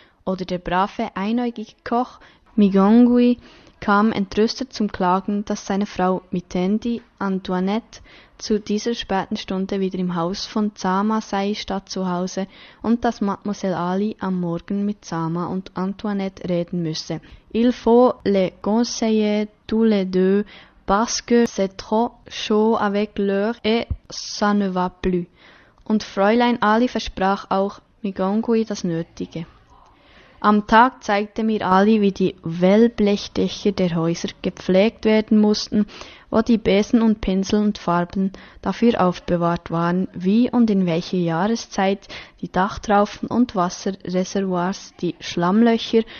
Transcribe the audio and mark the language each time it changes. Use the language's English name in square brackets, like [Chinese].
[German] Oder der brave, einäugige Koch Migongui kam entrüstet zum Klagen, dass seine Frau Mitendi Antoinette zu dieser späten Stunde wieder im Haus von Zama sei statt zu Hause und dass Mademoiselle Ali am Morgen mit Zama und Antoinette reden müsse. [French] Il faut les conseiller tous les deux parce que c'est trop chaud avec l'heure et ça ne va plus. [German] Und Fräulein Ali versprach auch Migongui das Nötige. Am Tag zeigte mir Ali, wie die Wellblechdächer der Häuser gepflegt werden mussten, wo die Besen und Pinsel und Farben dafür aufbewahrt waren, wie und in welche Jahreszeit die Dachtraufen und Wasserreservoirs, die Schlammlöcher